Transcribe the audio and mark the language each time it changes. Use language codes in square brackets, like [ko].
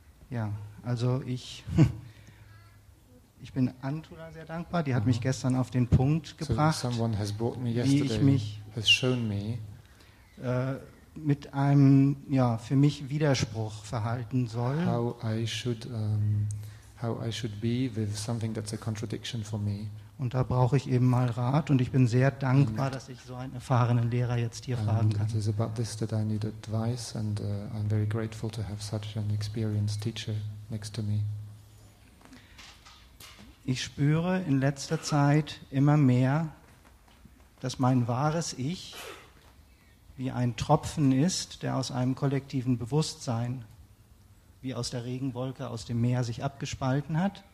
[de] Ja, also ich. Ich bin Antula sehr dankbar, die hat mich gestern auf den Punkt gebracht, [en] so has [de] wie ich mich [en] has shown me, [de] mit einem ja, für mich Widerspruch verhalten soll. [en] How I should be with something that's a contradiction for me. [de] Und da brauche ich eben mal Rat und ich bin sehr dankbar, dass ich so einen erfahrenen Lehrer jetzt hier fragen kann. [en] It is about this that I need advice and I'm very grateful to have such an experienced teacher next to me. [de] Ich spüre in letzter Zeit immer mehr, dass mein wahres Ich wie ein Tropfen ist, der aus einem kollektiven Bewusstsein, wie aus der Regenwolke, aus dem Meer sich abgespalten hat.